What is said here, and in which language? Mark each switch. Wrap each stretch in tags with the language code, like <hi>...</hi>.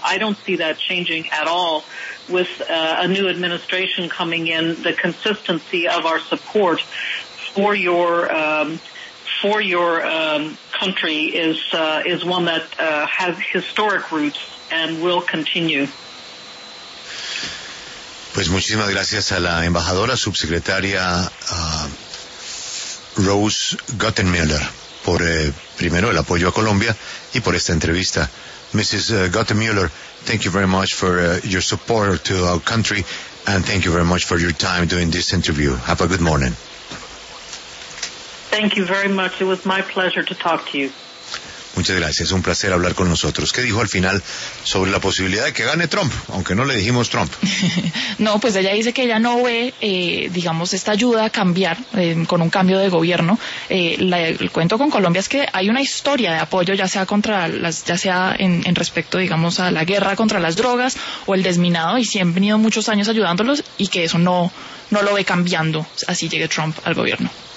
<en>I don't see that changing at all with a new administration coming in. The consistency of our support for your country is one that has historic roots and will continue.</en> <es>Pues muchísimas gracias a la embajadora subsecretaria Rose Gottmüller por primero el apoyo a Colombia y por esta entrevista.</es> <en>Mrs. Gottmüller, thank you very much for your support to our country, and thank you very much for your time doing this interview. Have a good morning. Thank you very much. It was my pleasure to talk to you.</en> <es>Muchas gracias. Un placer hablar con nosotros. ¿Qué dijo al final sobre la posibilidad de que gane Trump? Aunque no le dijimos Trump. No, pues ella dice que ella no ve, digamos, esta ayuda a cambiar con un cambio de gobierno. El cuento con Colombia es que hay una historia de apoyo, ya sea contra las, ya sea en respecto, digamos, a la guerra contra las drogas o el desminado, y sí han venido muchos años ayudándolos, y que eso no lo ve cambiando así llegue Trump al gobierno.</es>